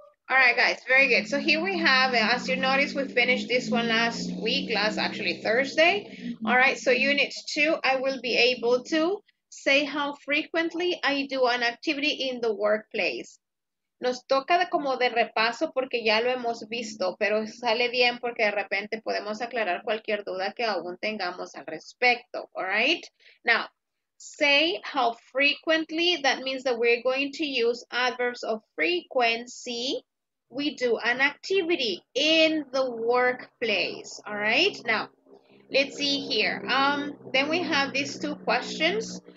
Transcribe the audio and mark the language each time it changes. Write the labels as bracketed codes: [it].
[en] right, guys, very good. So here we have, as you notice, we finished this one last week, Thursday. All right, so unit two, I will be able to say how frequently I do an activity in the workplace. [es] Nos toca de como de repaso porque ya lo hemos visto, pero sale bien porque de repente podemos aclarar cualquier duda que aún tengamos al respecto. [en] All right, now. Say how frequently, that means that we're going to use adverbs of frequency, we do an activity in the workplace, all right? Now, let's see here. Then we have these two questions.